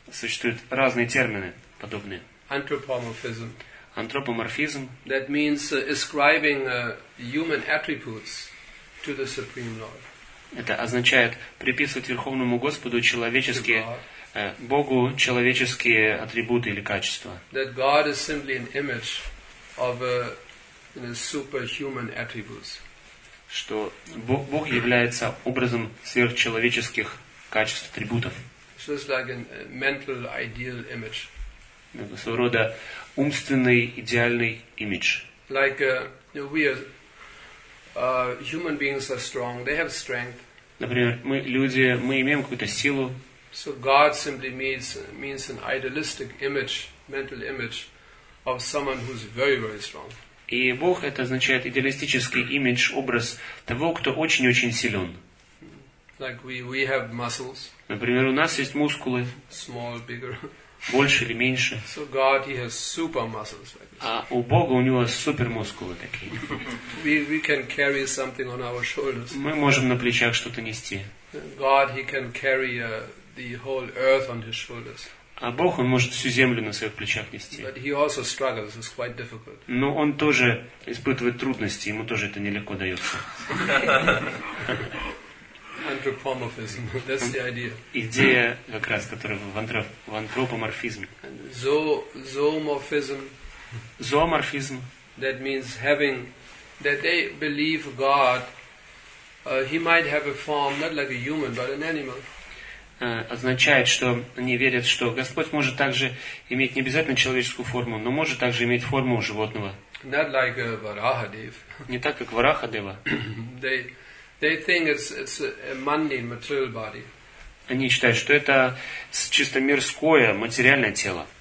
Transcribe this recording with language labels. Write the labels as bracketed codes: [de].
[ru] Существуют разные термины подобные. [en] Anthropomorphism. Anthropomorphism. That means ascribing human attributes to the Supreme Lord. [ru] Это означает приписывать Верховному Господу человеческие, Богу человеческие атрибуты или качества. [en] That God is simply an image of in his superhuman attributes. [ru] Что Бог является образом сверхчеловеческих качеств, атрибутов. [en] Just like a mental ideal image. [ru] Это своего рода умственный идеальный имидж. [en] Like we are human beings are strong. They have strength. [ru] Например, мы люди, мы имеем какую-то силу. [en] So God simply means an idealistic image, mental image of someone who's very, very strong. [ru] И Бог это означает идеалистический имидж, образ того, кто очень-очень силен. [en] Like we have muscles. [ru] Например, у нас есть мускулы. [en] Small, bigger. [ru] Больше или меньше. [en] So God, he has super muscles like this. [ru] А у Бога у него супер мускулы такие. [en] We can carry something on our shoulders. [ru] Мы можем на плечах что-то нести. [en] God, he can carry the whole earth on his shoulders. [ru] А Бог, он может всю землю на своих плечах нести. [en] But he also struggles. It's quite difficult. [ru] Но он тоже испытывает трудности, ему тоже это нелегко дается. [en] Anthropomorphism. That's the idea. [ru] Идея как раз, которая в антропоморфизме. [en] Zoomorphism. [ru] Зооморфизм. [en] That means having that they believe God, he might have a form not like a human, but an animal. [ru] Означает, что они верят, что Господь может также иметь не обязательно человеческую форму, но может также иметь форму животного. [en] Not like Varahadev. [ru] Не так, как Варахадева. [en] They think it's a mundane material body. [ru] Они считают, что это чисто мирское материальное тело.